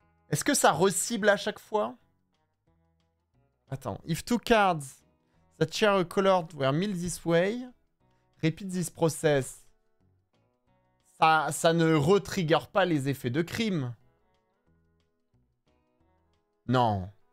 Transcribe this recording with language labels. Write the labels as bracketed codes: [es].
[fr] Est-ce que ça re-cible à chaque fois? Attends, [en] if two cards that share a color were milled this way. Repeat this process. [fr] Ça ne retrigger pas les effets de crime. Non.